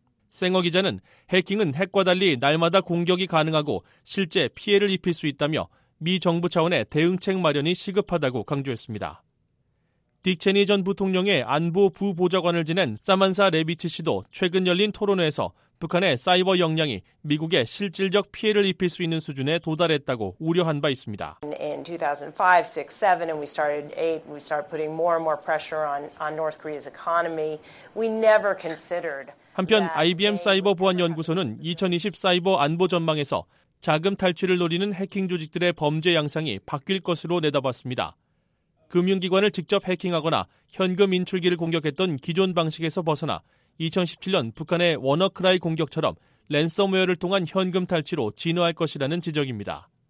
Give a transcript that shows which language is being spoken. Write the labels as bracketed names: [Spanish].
[Korean] 생어 기자는 해킹은 핵과 달리 날마다 공격이 가능하고 실제 피해를 입힐 수 있다며 미 정부 차원의 대응책 마련이 시급하다고 강조했습니다. 딕 체니 전 부통령의 안보 부보좌관을 지낸 사만사 레비츠 씨도 최근 열린 토론회에서 북한의 사이버 역량이 미국에 실질적 피해를 입힐 수 있는 수준에 도달했다고 우려한 바 있습니다. [English] In 2005, 6, 7 and we started 8, we started putting more and more pressure on North Korea's economy. We never considered. [Korean] 한편 IBM 사이버 보안 연구소는 2020 사이버 안보 전망에서 자금 탈취를 노리는 해킹 조직들의 범죄 양상이 바뀔 것으로 내다봤습니다. 금융기관을 직접 해킹하거나 현금 인출기를 공격했던 기존 방식에서 벗어나 2017년 북한의 워너크라이 공격처럼 랜섬웨어를 통한 현금 탈취로 진화할 것이라는 지적입니다.